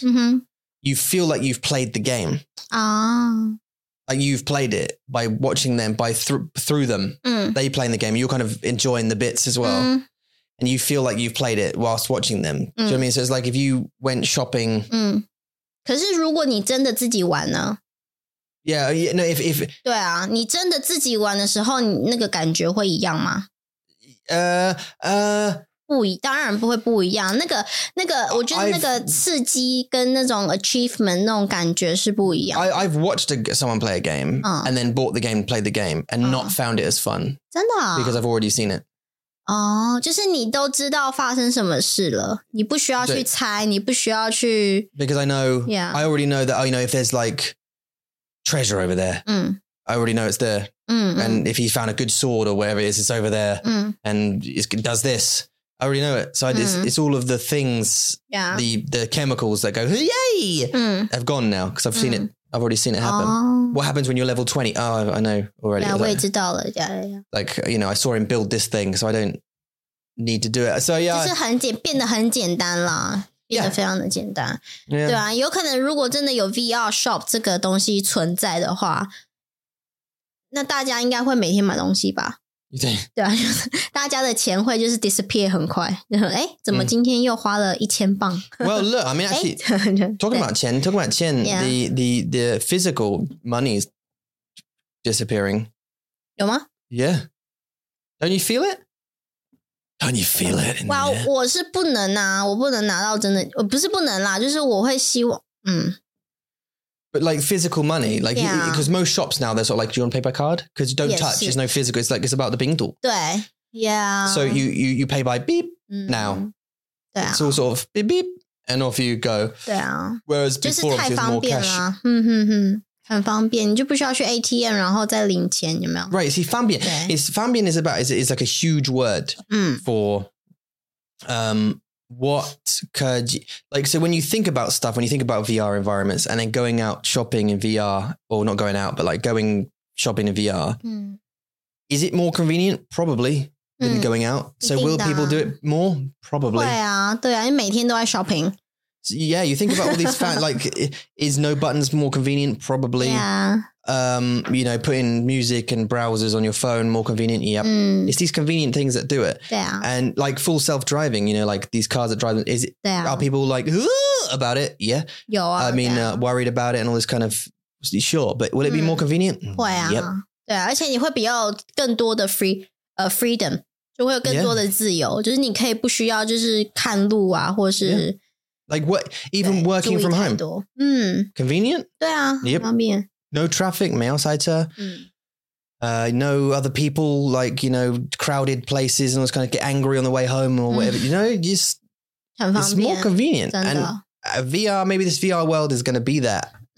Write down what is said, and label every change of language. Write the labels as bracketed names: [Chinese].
[English] You feel like you've played the game. Like you've played it by watching them, through them. They playing the game. You're kind of enjoying the bits as well. And you feel like you've played it whilst watching them. Do you know what I mean? So it's like if you went shopping. [Chinese] 可是如果你真的自己玩呢? [English] Yeah, no, if... [Chinese] 对啊,你真的自己玩的时候,那个感觉会一样吗? 当然不会不一样。那个我觉得那个刺激跟那种 achievement 那种感觉是不一样。 [English] I've watched someone play a game, and then bought the game, played the game, and not found it as fun. [Chinese] 真的啊? [English] Because I've already seen it. [Chinese] 哦，就是你都知道发生什么事了，你不需要去猜，你不需要去。 [English] Because I know, I already know that, you know, if there's like treasure over there, I already know it's there. And if he found a good sword or whatever it is, it's over there, and it does this. I already know it. So it's all of the things, the chemicals that go, yay, have gone now. Because I've seen it. I've already seen it happen. What happens when you're level 20? Oh, I know already. Yeah, [Chinese] 我也知道了. [English] Yeah, yeah, yeah. Like, you know, I saw him build this thing, so I don't need to do it. So yeah. [Chinese] 就是变得很简单啦。变得非常的简单。 [English] Yeah. [Chinese] 对啊，有可能如果真的有 VR shop 这个东西存在的话，那大家应该会每天买东西吧。对对啊，就是大家的钱会就是 disappear 很快。哎，怎么今天又花了1000磅 [English] ？Well, look, I mean, actually, talking about 钱 talking about 钱 the physical money is disappearing. [Chinese] 有吗 [English] ？Yeah, don't you feel it? Don't you feel it? [Chinese] Well, 我是不能啊，我不能拿到真的，我不是不能啦，就是我会希望， [English] But like physical money, like, because most shops now, they're sort of like, do you want to pay by card? Because don't touch, there's no physical, it's like, it's about the 冰度. [Chinese] 对, yeah. [English] So you pay by beep now. It's all sort of beep beep, and off you go. [Chinese] 对啊。 [English] Whereas before, it was more cash. [Chinese] 很方便，你就不需要去 ATM 然后再领钱，有没有？ [English] Right, see, 方便, it's, 方便 is about, is like a huge word for, What could you, like, so when you think about stuff, when you think about VR environments and then going out shopping in VR or not going out, but like going shopping in VR, is it more convenient? Probably than going out. So will people do it more? Probably. [Chinese] 对啊,对啊,你每天都在 shopping. [English] So yeah, you think about all these facts, like, is no buttons more convenient? Probably. Yeah. You know, putting music and browsers on your phone more convenient. Yep. It's these convenient things that do it. Yeah. And like full self-driving, you know, like these cars that drive, is it, are people like, about it? Yeah. [Chinese] 有啊, [English] I mean, worried about it and all this kind of, sure, but will it be more convenient? [Chinese] 会啊。Yep. 对啊,而且你会比较更多的 freedom, 就会有更多的自由,就是你可以不需要就是看路啊,或是 [English] Like what, even working from home? Convenient? [Chinese] 对啊, yep. 方便。 [English] No traffic, [Chinese] 没有塞车, [English] no other people, like, you know, crowded places and just kind of get angry on the way home or whatever, you know, just, [Chinese] 很方便, [English] it's more convenient. [Chinese] 真的。 [English] And VR, maybe this VR world is going to be that.